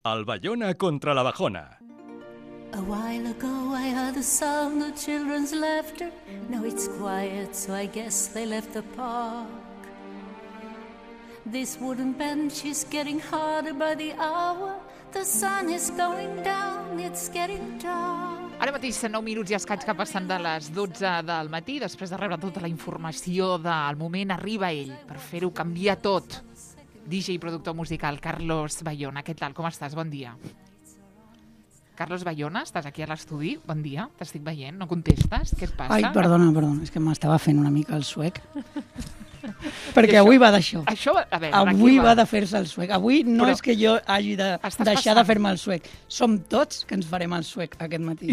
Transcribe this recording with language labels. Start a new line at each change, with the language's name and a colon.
English: Al Bayona contra la Bajona. A while ago I heard the sound of children's laughter. Now it's quiet, so I guess they left the park. This wooden bench is getting harder by the hour. The sun is going down, it's getting dark.
Catalan: Ara mateix són 9 minuts i escaig que passen de les 12 del matí. Després de rebre tota la informació del moment, arriba ell per fer-ho canviar tot. DJ i productor musical Carlos Bayona. Què tal? Com estàs? Bon dia. Carlos Bayona, estàs aquí a l'estudi? Bon dia, t'estic veient. No contestes? Què et passa? Ai, perdona, perdona. És que m'estava fent una mica el suec. Perquè això, avui va d'això. Això, a veure, avui va de fer-se el suec. Avui no però és que jo hagi de deixar de fer-me el suec. Som tots que ens farem el suec aquest matí.